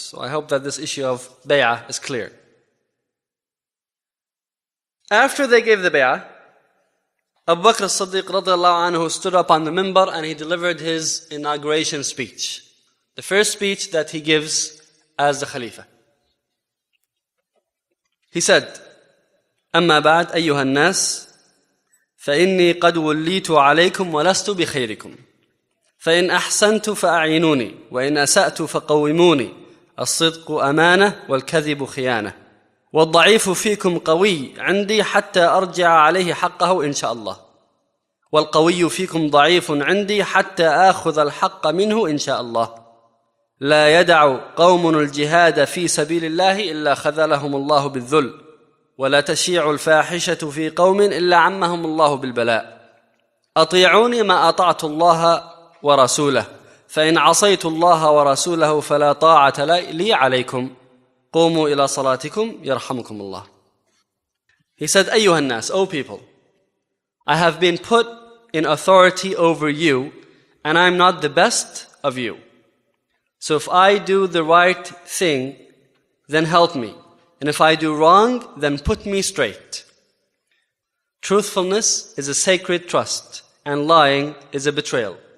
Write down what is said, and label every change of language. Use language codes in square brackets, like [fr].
[en] So I hope that this issue of bay'ah is clear. After they gave the bay'ah, Abu Bakr as-Siddiq radiallahu anhu stood up on the minbar and he delivered his inauguration speech. The first speech that he gives as the Khalifa. He said, [ar] أما بعد أيها الناس فإني قد وليت عليكم ولست بخيركم فإن أحسنت فأعينوني وإن أسأت فقوموني الصدق أمانة والكذب خيانة والضعيف فيكم قوي عندي حتى أرجع عليه حقه إن شاء الله والقوي فيكم ضعيف عندي حتى آخذ الحق منه إن شاء الله لا يدع قوم الجهاد في سبيل الله إلا خذلهم الله بالذل ولا تشيع الفاحشة في قوم إلا عمهم الله بالبلاء أطيعوني ما أطعت الله ورسوله فإن عصيت الله ورسوله فلا طاعة لي عليكم قوموا إلى صلاتكم يرحمكم الله. [en] He said, [ar] أيها الناس, [en] O people, I have been put in authority over you and I'm not the best of you. So if I do the right thing, then help me. And if I do wrong, then put me straight. Truthfulness is a sacred trust, and lying is a betrayal.